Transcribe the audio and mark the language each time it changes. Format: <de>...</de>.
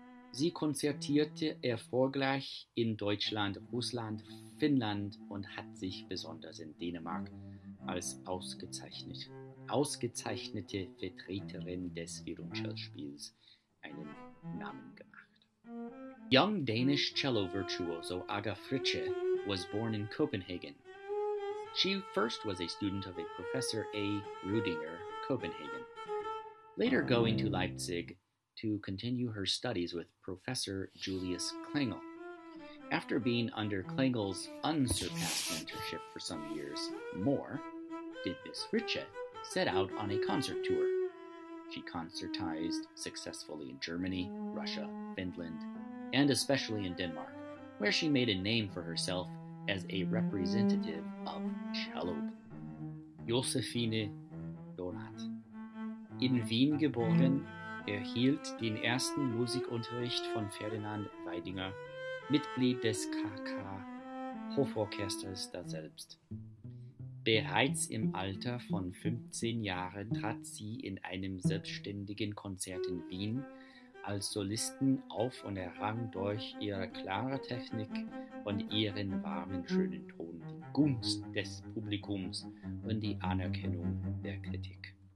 <de>Sie konzertierte erfolgreich in Deutschland, Russland, Finnland und hat sich besonders in Dänemark als ausgezeichnete Vertreterin des Violoncellospiels einen Namen gemacht.</de> <en>Young Danish cello virtuoso Aga Fritzsche was born in Copenhagen. She first was a student of a Professor A. Rüdinger, Copenhagen. Later going to Leipzig to continue her studies with Professor Julius Klingel. After being under Klingel's unsurpassed mentorship for some years more, did Miss Fritzsche set out on a concert tour. She concertized successfully in Germany, Russia, Finland, and especially in Denmark, where she made a name for herself as a representative of cello.</en> <de>Josefine Donat. In Wien geboren, erhielt den ersten Musikunterricht von Ferdinand Weidinger, Mitglied des KK Hoforchesters daselbst. Bereits im Alter von 15 Jahren trat sie in einem selbstständigen Konzert in Wien als Solistin auf und errang durch ihre klare Technik und ihren warmen, schönen Ton die Gunst des Publikums und die Anerkennung der Kritik.</de>